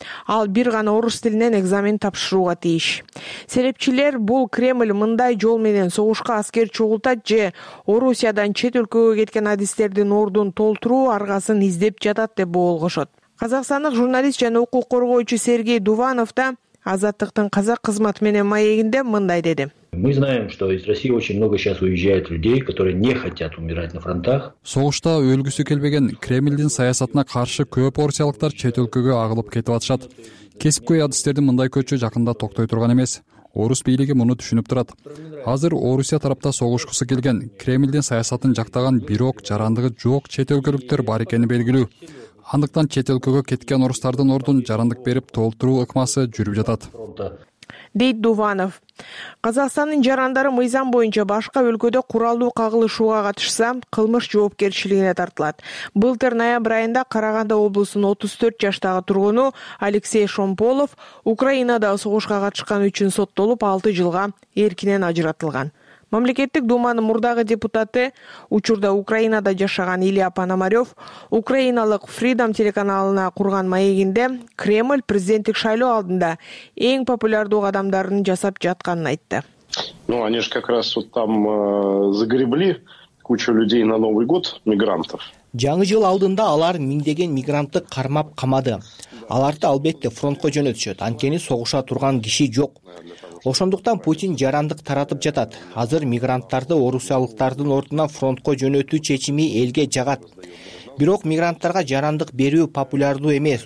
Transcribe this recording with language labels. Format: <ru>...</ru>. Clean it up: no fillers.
<ky>Ал бир гана орус тилинен экзамен тапшырууга тийиш. Серепчилер бул Кремль мындай жол менен согушка аскер чогултат же Орусиядан чет өлкөгө кеткен адистердин ордун толтуруу аргасын издеп жатат деп болгошот. Казакстандык журналист жана укук коргоочу Сергей Дуванов да Азаттыктын казак кызмат менен маегинде мындай деди.</ky> <ru>Мы знаем, что из России очень много сейчас уезжает людей, которые не хотят умирать на фронтах.</ru> <ky>Согушта өлгүсү келбеген Кремлдин саясатына каршы көп орусиялыктар чет өлкөгө агылып кетип атышат. Кесипкөй адистердин мындай көчү жакында токтой турган эмес. Орус бийлиги муну түшүнүп турат. Азыр Орусия тарапта согушкусу келген Кремлдин саясатын жактаган бирок жарандыгы жок чет өлкөлүктөр бар экени белгилүү. Андыктан чет өлкөгө кеткен орустардын ордун жарандык берип толтуруу ыкмасы жүрүп жатат. Дейт Дуванов. Казакстандын жарандары мыйзам боюнча башка өлкөдө куралдуу кагылышууга катышса, кылмыш жоопкерчилигине тартылат. Былтыр ноябр айында Караганда облусунун 34 жаштагы тургуну Алексей Шомполов Украинада согушка катышканы үчүн соттолуп 6 жылга эркинен ажыратылган. Мамлекеттик Думанын мурдагы депутаты, учурда Украинада жашаган Илья Пономарёв украиналык Freedom телеканалына курган маегинде Кремль президенттик шайлоо алдында эң популярдуу адамдарын жасап жатканын айтты.</ky> <ru>Ну, они же как раз вот там загребли кучу людей на Новый год, мигрантов.</ru> <ky>Жаңы жыл алдында алар миңдеген мигрантты кармап камады. Аларды албетте фронтко жөнөтүшөт, анткени согуша турган киши жок. Ошондуктан Путин жарандык таратып жатат. Азыр мигранттарды орусиялыктардын ордуна фронтко жөнөтүү чечими элге жагат. Бирок мигранттарга жарандык берүү популярдуу эмес.</ky>